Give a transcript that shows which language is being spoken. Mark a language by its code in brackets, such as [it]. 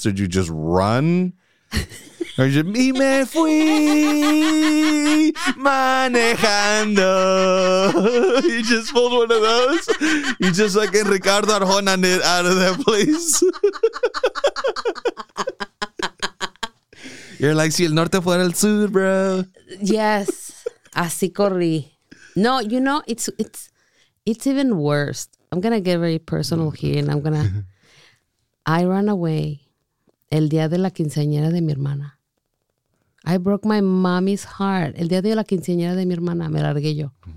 [en] Did you just run? Or did you, [es] me me fui manejando. [en] You just pulled one of those? You just like in Ricardo Arjona it out of that place? You're like, [es] si el norte fuera el sur, [en] bro. Yes. [es] Así corrí. [en] No, you know, it's even worse. I'm going to get very personal here, and I'm going to... I ran away [es] el día de la quinceañera de mi hermana. [en] I broke my mommy's heart. [es] El día de la quinceañera de mi hermana, me largué yo.